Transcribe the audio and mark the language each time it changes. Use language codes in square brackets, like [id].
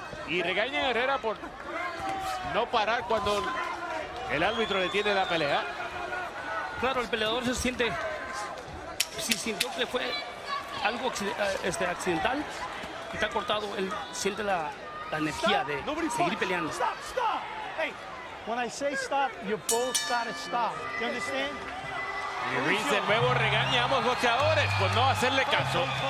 [es] Y regañan a Herrera por no parar cuando el árbitro le tiene la pelea. Claro, el peleador se siente... Si sintió que fue algo accidental y está cortado, él siente la energía de seguir peleando. [en] Stop. Hey, when I say stop, you both gotta stop. You understand? [es] Y Reese de nuevo regaña a ambos boxeadores por no hacerle caso.